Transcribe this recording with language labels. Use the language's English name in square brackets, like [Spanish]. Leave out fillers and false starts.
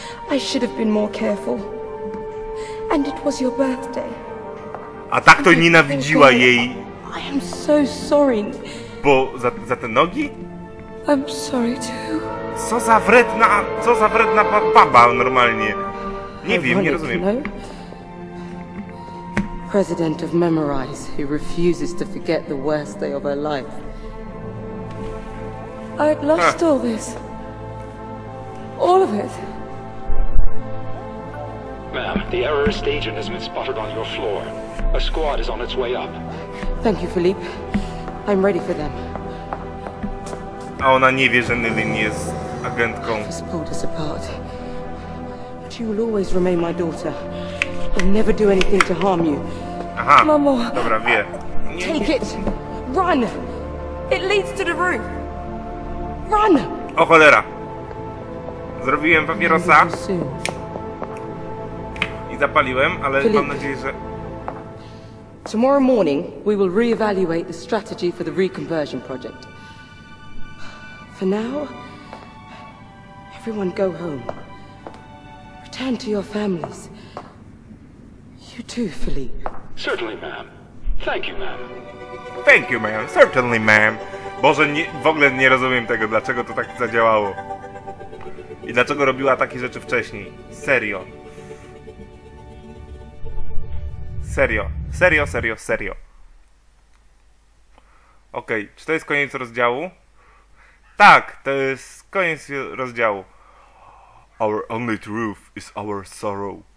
[English] I should have been more careful. And it was your birthday. [Polish] A tak to nienawidziła jej. [English] I am so sorry. [Polish] Bo za te nogi? [English] I'm sorry too. [Polish] Co za wredna baba normalnie. Nie wiem, nie rozumiem. [English] President of Memorize, who refuses to forget the worst day of her life. I'd lost all this. All of it. Ma'am, the error stage has been spotted on your floor. A squad is on its way up. Thank you, Philippe. I'm ready for them. [Polish] A ona nie wie, że Nilin jest agentką. [English] She's pulled us apart. But you will always remain my daughter. I'll never do anything to harm you. [Polish] Aha, Mama, dobra, wie. [English] Nie. Take it! Run! It leads to the roof! Run! [Polish] O cholera! Zrobiłem papierosa i zapaliłem, ale Philippe, mam nadzieję, że... [English] Tomorrow morning we will reevaluate the strategy for the reconversion project. For now, everyone go home. Return to your families. You too, Philippe. Certainly, ma'am. Thank you, ma'am. Thank you, ma'am. Certainly, ma'am. [Polish] Boże, nie, w ogóle nie rozumiem tego, dlaczego to tak zadziałało. I dlaczego robiła takie rzeczy wcześniej. Serio. Serio. Serio, serio, serio. Okej, okay. Czy to jest koniec rozdziału? Tak, to jest koniec rozdziału. [English] Our only truth is our sorrow.